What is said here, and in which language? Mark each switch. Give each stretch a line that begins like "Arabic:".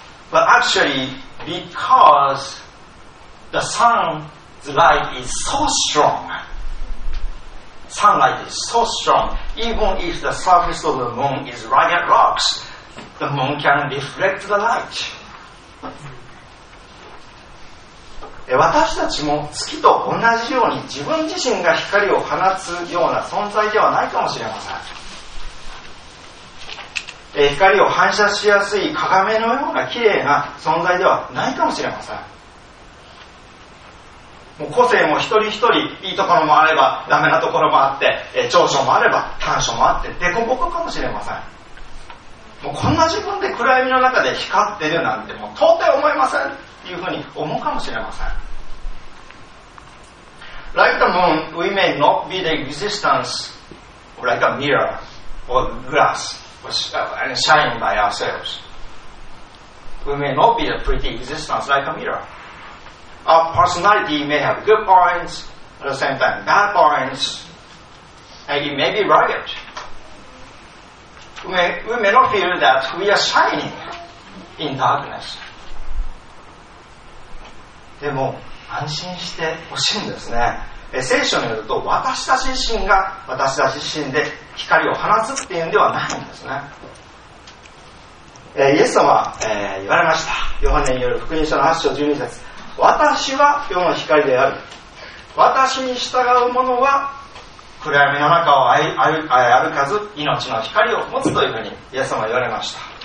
English: But actually, because the sun's light is so strong, sunlight is so strong, even if the surface of the moon is rugged rocks, the moon can reflect the light.
Japanese: 私たちも月と同じように自分自身が光を放つような存在ではないかもしれません。光を反射しやすい鏡のようなきれいな存在ではないかもしれません。もう個性も一人一人いいところもあればダメなところもあって、長所もあれば短所もあって、凸凹かもしれません。もうこんな自分で暗闇の中で光ってるなんてもう到底思えませんというふうに思うかもしれません。
English: Like the moon, we may not be the existence like a mirror or glass and shine by ourselves. We may not be a pretty existence like a mirror. Our personality may have good points, at the same time bad points, and it may be rugged. We may not feel that we are shining in darkness.
Japanese: でも安心してほしいんですね。聖書によると私たち自身が私たち自身で光を放つっていうんではないんですね。イエス様は、言われました。ヨハネによる福音書の8章12節、私は世の光である、私に従う者は暗闇の中を歩かず命の光を持つというふうにイエス様は言われました。